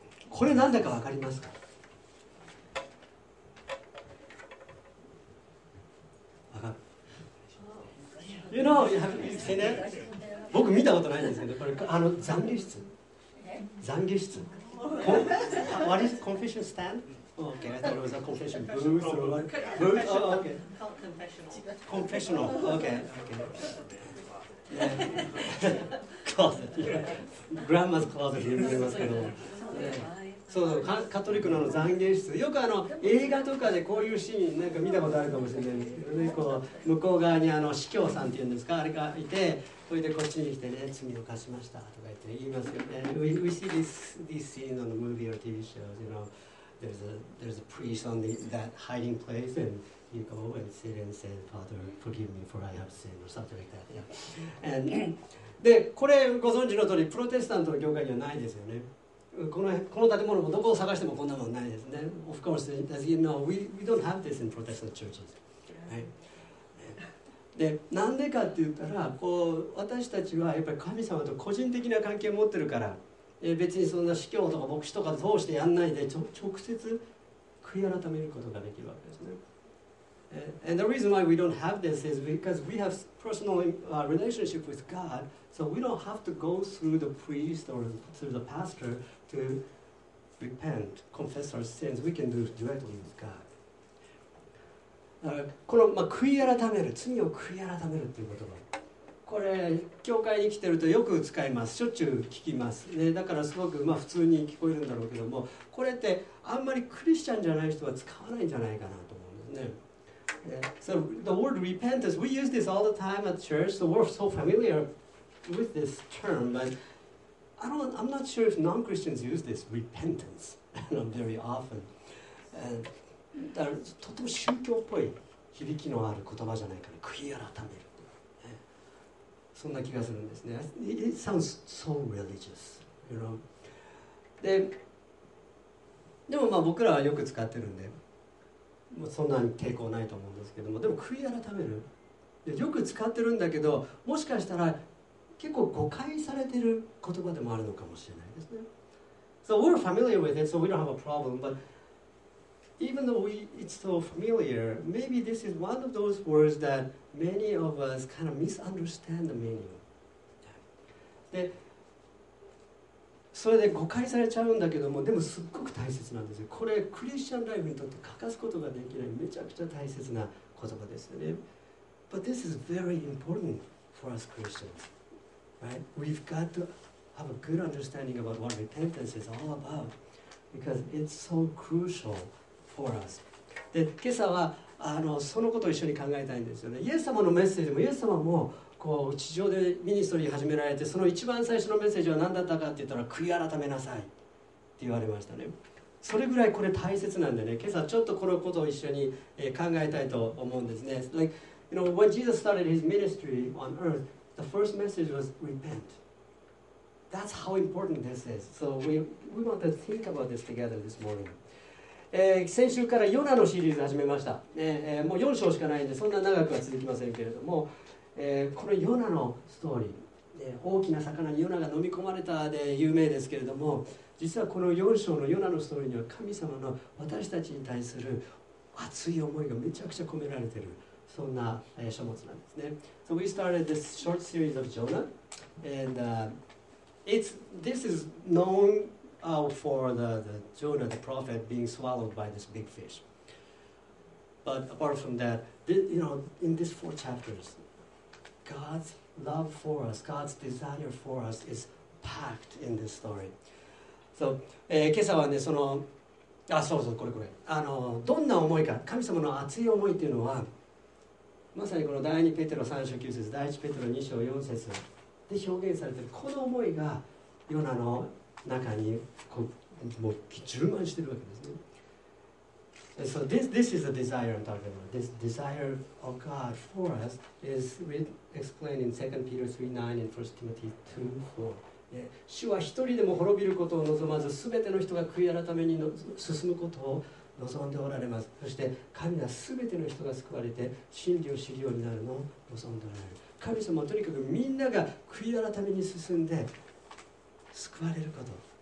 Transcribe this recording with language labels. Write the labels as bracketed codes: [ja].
[ja] これなんだかわかりますか？ [en] You know, you have seen that? [ja] 僕見たことないんですけど、これあの懺悔室、懺悔室。 [en] What is confession stand? Okay, I thought it was a confession booth or what? Booth? Oh, okay. Confessional. Okay. Closet. Grandma's closet. You know what I mean? [ja] そう、カトリックの懺悔室、よくあの映画とかでこういうシーンなんか見たことあるかもしれないんですけどね、こう向こう側にあの司教さんっていうんですか、あれがいて、それでこっちに来てね、罪を犯しましたとか言って言いますよね。 [en] We see this scene on the movie or TV shows, you know, there's a priest on that hiding place andyou go and sit and say, Father, forgive me for I have sinned, or something like that. Yeah. And, [ja] で、これご存知の通り、プロテスタントの教会にはないですよね。この建物もどこを探してもこんなものないですね。 [en] Of course, as you know, we don't have this in Protestant churches. Right? [ja] で、なんでかって言ったら、こう、私たちはやっぱり神様と個人的な関係を持ってるから、別にそんな司教とか牧師とか通してやんないで、直接悔い改めることができるわけですね。 [en] And the reason why we don't have this is because we have personal relationship with God, so we don't have to go through the priest or through the pastor to repent, confess our sins. We can do it directly with God. [ja] この、まあ、悔い改める、罪を悔い改めるという言葉、これ教会に来てるとよく使います、しょっちゅう聞きます、ね、だからすごく、まあ、普通に聞こえるんだろうけども、これってあんまりクリスチャンじゃない人は使わないんじゃないかなと思うんですね。 [en] So the word repentance, we use this all the time at church, so we're so familiar with this term, but I'm not sure if non-Christians use this repentance very often. [ja] だからとても宗教っぽい響きのある言葉じゃないかな、悔い改める。そんな気がするんですね。 [en] It sounds so religious, you know. [ja] でもまあ僕らはよく使ってるんで、もうそんなに抵抗ないと思うんですけども、でも悔い改める、よく使ってるんだけど、もしかしたら結構誤解されてる言葉でもあるのかもしれないですね。 [en] So we're familiar with it, so we don't have a problem, but even though it's so familiar, maybe this is one of those words that many of us kind of misunderstand the meaning. [ja] でそれで誤解されちゃうんだけども、でもすっごく大切なんですよ。これクリスチャンライフにとって欠かすことができないめちゃくちゃ大切な言葉ですよね。 [en] But this is very important for us Christians, right? We've got to have a good understanding about what repentance is all about, because it's so crucial for us. [ja] で、今朝はそのことを一緒に考えたいんですよね。イエス様のメッセージも、イエス様もこう地上でミニストリー始められて、その一番最初のメッセージは何だったかって言ったら、悔い改めなさいって言われましたね。それぐらいこれ大切なんでね、今朝ちょっとこのことを一緒に考えたいと思うんですね。 [en] Like, you know, when Jesus started his ministry on earth, the first message was repent. That's how important this is. So we want to think about this together this morning. [ja] 先週からヨナのシリーズ始めました、もう4章しかないんでそんな長くは続きませんけれども、このヨナのストーリー、大きな魚にヨナが飲み込まれたで有名ですけれども、実はこの4章のヨナのストーリーには神様の私たちに対する熱い思いがめちゃくちゃ込められている、そんな、書物なんですね。 [en] So we started this short series of Jonah, and this is known for the Jonah, the prophet, being swallowed by this big fish. But apart from that, in these four chapters,God's love for us, God's desire for us is packed in this story. So, [ja] 今朝はね、これ。どんな思いか、神様の熱い思いというのは、まさにこの第2ペテロ3章9節、第1ペテロ2章4節で表現されている、この思いがヨナの中にこうもう充満しているわけですね。 [en] So this is the desire I'm talking about. This desire of God for us is explained in 2 Peter 3:9 and 1 Timothy 2:4. [ja] 主は一人でも滅びることを望まず、すべての人が悔い改めに進むことを望んでおられます。そして神はすべての人が救われて真理を知るようになるのを望んでおられる。神様はとにかくみんなが悔い改めに進んで救われること、